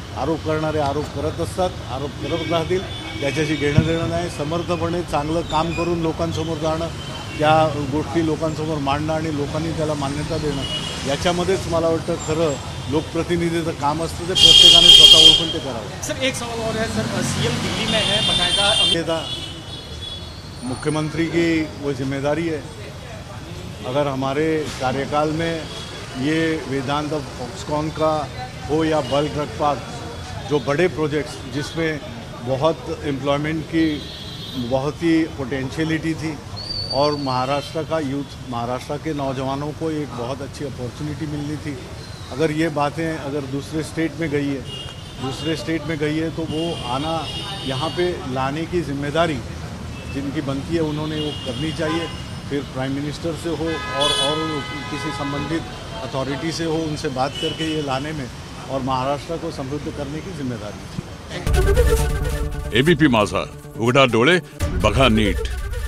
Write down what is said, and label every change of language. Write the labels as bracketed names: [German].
[Marathi] आरोप करणारे आरोप करत असतात, आरोप करत राहतील, त्याच्याशी घेणं देणं नाही. समर्थपणे चांगलं काम करून लोकांसमोर जाणं, त्या गोष्टी लोकांसमोर मांडणं आणि लोकांनी त्याला मान्यता देणं, याच्यामध्येच मला वाटतं खरं लोकप्रतिनिधीचं काम असतं, ते प्रत्येकाने स्वतः ओळखून ते करावं. [Hindi] सर एक सवाल और है, सर सीएम दिल्ली में है, बकायदा मुख्यमंत्री की वो जिम्मेदारी है. अगर हमारे कार्यकाल में ये वेदांत फॉक्सकॉन का हो या बल्क रक्पात, जो बड़े प्रोजेक्ट्स जिसमें बहुत एम्प्लॉयमेंट की बहुत ही पोटेंशियलिटी थी और महाराष्ट्र का यूथ, महाराष्ट्र के नौजवानों को एक बहुत अच्छी अपॉर्चुनिटी मिलनी थी। अगर ये बातें अगर दूसरे स्टेट में गई है, दूसरे स्टेट में गई है तो वो आना यहाँ पे लाने की जिम्मेदारी जिनकी बनती है उन्होंने वो करनी चाहिए। फिर प्राइम मिनिस्टर से हो और किसी संबंधित अथॉरिटी से हो, उनसे बात करके ये लाने में और महाराष्ट्र को समृद्ध करने की जिम्मेदारी थी। [Marathi] एबीपी माझा उघडा डोळे बघा नीट।